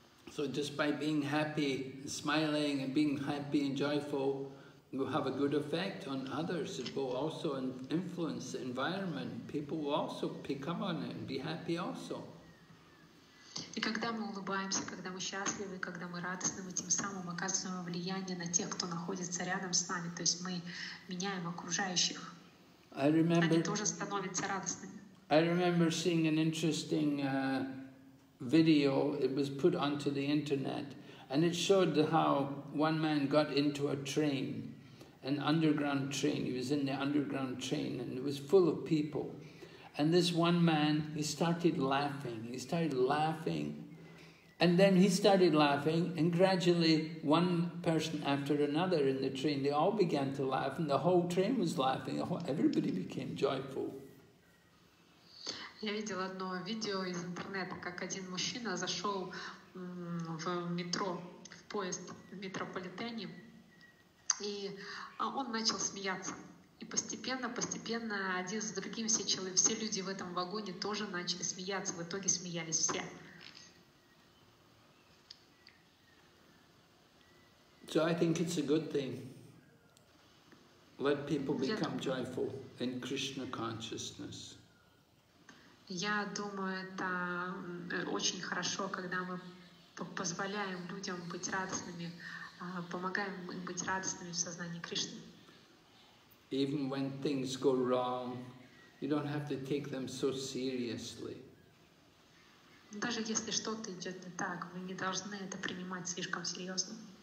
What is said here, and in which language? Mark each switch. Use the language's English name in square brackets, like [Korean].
[English] So just by being happy, smiling, and being happy and joyful, will have a good effect on others. It will also influence the environment. People will also pick up on it and be happy also. [Russian] И когда мы улыбаемся, когда мы счастливы, когда мы радостны, мы тем самым оказываем влияние на тех, кто находится рядом с нами. То есть мы меняем окружающих. [English] I remember. [Russian] Они тоже становятся радостными. [English] I remember seeing an interesting. Video, it was put onto the internet, and it showed how one man got into a train, an underground train. He was in the underground train, and it was full of people. And this one man, he started laughing, and then he started laughing, and gradually, one person after another in the train, they all began to laugh, and the whole train was laughing. Everybody became joyful. [Russian] Я видела одно видео из интернета, как один мужчина зашел в метро, в поезд в метрополитене, и он начал смеяться. И постепенно, один за другим, все люди в этом вагоне тоже начали смеяться, в итоге смеялись все. [English] So I think it's a good thing. Let people become joyful in Krishna consciousness. [Russian] Я думаю, это очень хорошо, когда мы позволяем людям быть радостными, помогаем им быть радостными в сознании Кришны. [English] Even when things go wrong, you don't have to take them so seriously. [Russian] Даже если что-то идет не так, мы не должны это принимать слишком серьезно.